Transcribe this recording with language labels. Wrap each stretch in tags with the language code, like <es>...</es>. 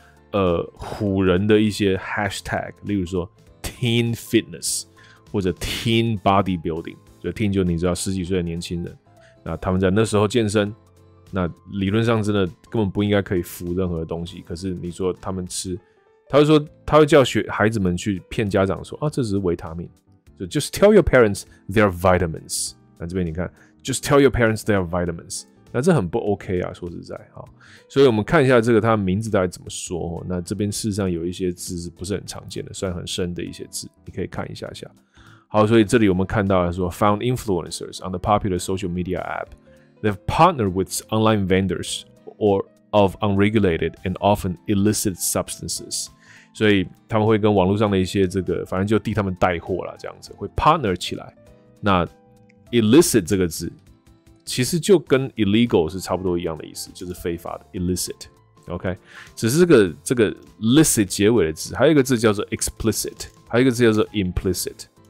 <zh>唬人的一些 hashtag， 例如说 teen fitness 或者 teen bodybuilding， 就 teen 就你知道十几岁的年轻人，那他们在那时候健身，那理论上真的根本不应该可以服任何东西，可是你说他们吃，他会说他会叫孩子们去骗家长说啊，这只是维他命，就 just tell your parents they're vitamins。那这边你看 just tell your parents they're vitamins，那这很不 OK 啊，说实在哈。所以我们看一下这个他名字到底怎么说，那这边事实上有一些字是不是很常见的，算很深的一些字，你可以看一下下。</zh> <en>好，所以这里我们看到说 found influencers on the popular social media appThey've partnered with online vendors or of unregulated and often illicit substances.</en> <zh>所以他们会跟网络上的一些这个，反正就替他们带货啦，这样子会 partner 起来。那 illicit 这个字其实就跟 illegal 是差不多一样的意思，就是非法的 illicit。 OK， 只是这个 licit 结尾的字，还有一个字叫做 explicit， 还有一个字叫做 implicit。</zh>